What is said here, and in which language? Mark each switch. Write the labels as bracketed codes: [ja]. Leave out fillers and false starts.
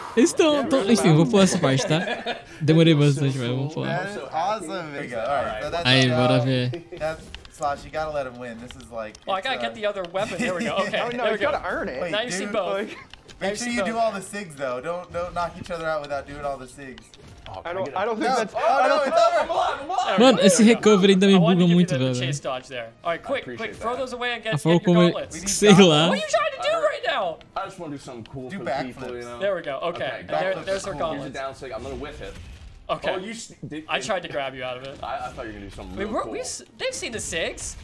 [pt] Enfim, vou pular essa parte, tá? Demorei bastante, mas vamos pular. [en] Awesome, [pt] bora ver. [en] Slash, you gotta let him win. This is like... Oh, I gotta get the other weapon. There we go. Okay, gotta earn it. Wait, now you see both. Like, make sure you do all the sigs, though. Don't knock each other out without doing all the sigs. [pt] Mano, esse recover ainda me buga muito, velho. [en] Chase dodge there. All right, quick, throw those away and get your gauntlets. [pt] Sei lá. [en] What are you trying to do right now? I just wanna do something cool for the people, you know? There we go. Okay, there's her gauntlets. Here's a down sig. I'm gonna whiff it. Okay. I tried to grab you out of it. I thought you were gonna do something real cool. They've seen the sigs.